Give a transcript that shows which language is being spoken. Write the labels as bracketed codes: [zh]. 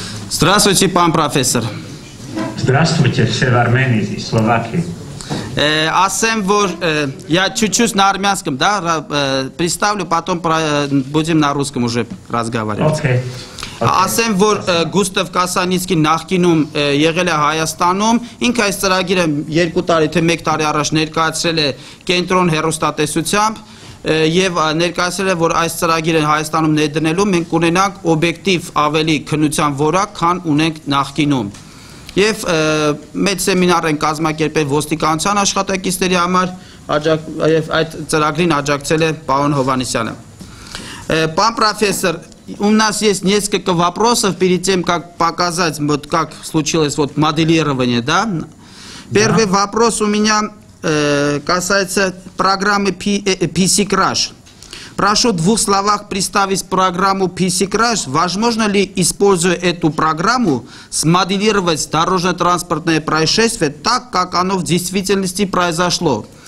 [ru] Здравствуйте, пан профессор. Здравствуйте, все в Армении и Словакии. Асем, я чуть-чуть на армянском, да, представлю, потом будем на русском уже разговаривать. Окей. [hy] Ասեմ, որ Գուստավ Կասանիցկին նախկինում եղել է Հայաստանում, ինքը այս ծրագիրը երկու տարի, թե մեկ տարի առաջ ներկայացրել է կենտրոն հեռուստատեսությամբ և ներկայացրել է, որ այս ծրագիրը Հայաստանում ներդնելու մենք ունենանք օբյեկտիվ ավելի քննության որակ, քան ունենք նախկինում։ Եվ մեծ սեմինար են կազմակերպել ոստիկանության աշխատակիցների համար և այդ ծրագրին աջակցել է պարոն Հովանիսյանը։ Պարոն պրոֆեսոր, [ru] у нас есть несколько вопросов перед тем, как показать, вот как случилось вот моделирование, да? Первый вопрос у меня касается программы PC Crash. Прошу в двух словах представить программу PC Crash. Возможно ли, используя эту программу, смоделировать дорожно-транспортное происшествие так, как оно в действительности произошло?